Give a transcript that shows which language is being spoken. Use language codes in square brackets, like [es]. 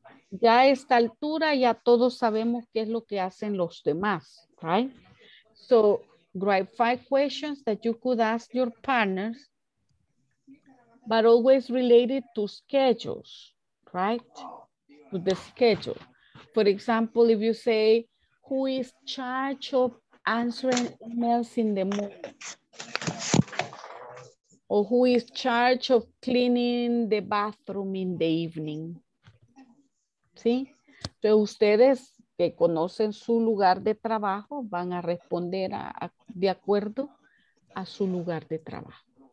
[es] Ya a esta altura ya todos sabemos qué es lo que hacen los demás, right? [en] So, write 5 questions that you could ask your partners, but always related to schedules, right? To the schedule. For example, if you say, who is in charge of answering emails in the morning? Or who is in charge of cleaning the bathroom in the evening? [es] ¿Sí? Entonces ustedes que conocen su lugar de trabajo van a responder de acuerdo a su lugar de trabajo.